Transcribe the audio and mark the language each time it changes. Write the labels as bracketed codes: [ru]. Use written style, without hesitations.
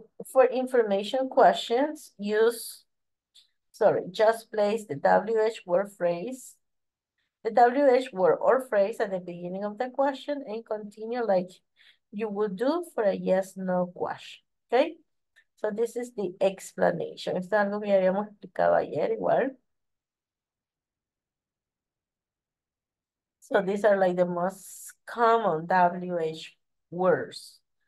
[en] For information questions, just place the WH word phrase, the WH word or phrase at the beginning of the question and continue like you would do for a yes, no question, okay? So this is the explanation. [es] Esto es algo que ya habíamos explicado ayer igual. [en] So these are like the most common WH words.